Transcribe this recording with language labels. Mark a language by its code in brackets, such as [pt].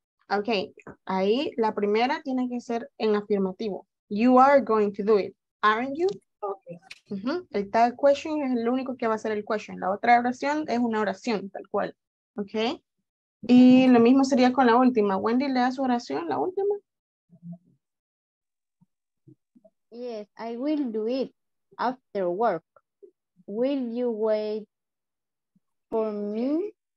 [es] Okay, ahí la primera tiene que ser en afirmativo. [en] You are going to do it, aren't you? Okay. [es] Uh-huh. El tag question es el único que va a ser el question. La otra oración es una oración, tal cual. Okay. Y lo mismo sería con la última. Wendy, lea su oración, la última. [en] Yes, I will do it after work. Will you wait for me?